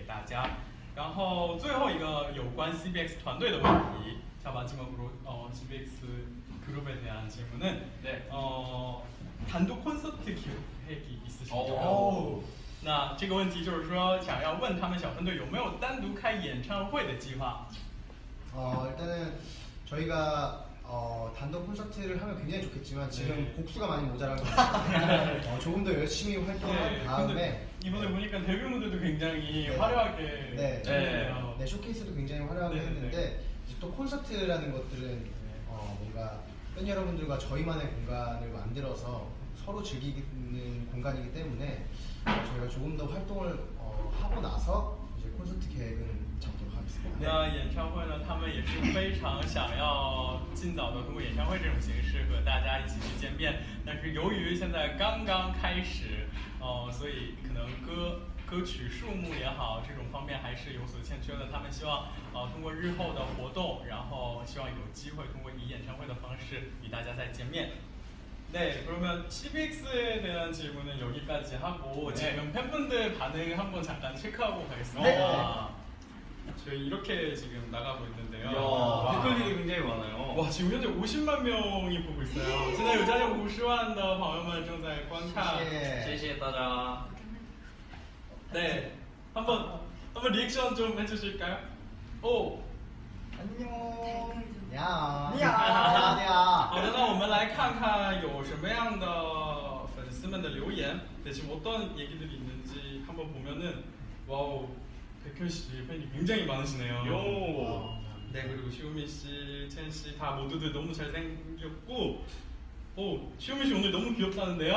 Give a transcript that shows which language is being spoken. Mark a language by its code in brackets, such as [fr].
[zh] 他们说呢，除了这次专辑当中尝试过的这种风格之外，他们还是非常愿意在庞大的音乐的海洋当中与各个不同风格的艺术家一起进行合作。然后他们呢也期待展现出更多好的作品给大家。然后最后一个有关 CBX 团队的问题， [ko] 자 마지막으로 CBX 그룹에 대한 질문은 네. 단독 콘서트 계획이 있으신가요? 나, 이거 문제는 [zh] 说 想要问他们小分队有没有单独开演唱会的计划? [ko] 일단은 저희가 단독 콘서트를 하면 굉장히 좋겠지만 지금 네. 곡수가 많이 모자란 것 같아요. 조금 더 열심히 활동한 네, 다음에 이번에 네. 보니까 데뷔 무대도 굉장히 네. 화려하게 네. 네. 네, 쇼케이스도 굉장히 화려하게 네, 했는데 네. 또 콘서트라는 것들은 네. 뭔가 팬 여러분들과 저희만의 공간을 만들어서 서로 즐기는 공간이기 때문에 저희가 조금 더 활동을 하고 나서 이제 콘서트 계획은 잡도록 하겠습니다. [zh] 네, 演唱会呢，他们也是非常想要尽早的通过演唱会这种形式和大家一起去见面。但是由于现在刚刚开始，所以可能歌 歌曲数目也好，这种方面还是有所欠缺的。他们希望，通过日后的活动，然后希望有机会通过以演唱会的方式与大家再见面。 [ko] 네, 그러면 CBX에 대한 질문은 여기까지 하고 네. 지금 팬분들 반응 한번 잠깐 체크하고 가겠습니다. 네. 저희 이렇게 지금 나가고 있는데요. 댓글이 굉장히 많아요. 와, 지금 현재 50만 명이 보고 있어요. 지금 현재 50만 더 방영만 정말 감사합니다. 네, 한번 리액션 좀 해주실까요? 오, 안녕, 안녕, 안녕. [zh] 好的，那我们来看看有什么样的粉丝们的留言。 [ko] 대신 어떤 얘기들이 있는지 한번 보면은, 와우, 백현 씨 팬이 굉장히 많으시네요. 요. 네, 그리고 시우민 씨, 첸 씨 다 모두들 너무 잘생겼고, 오, 시우민 씨 오늘 너무 귀엽다는데요?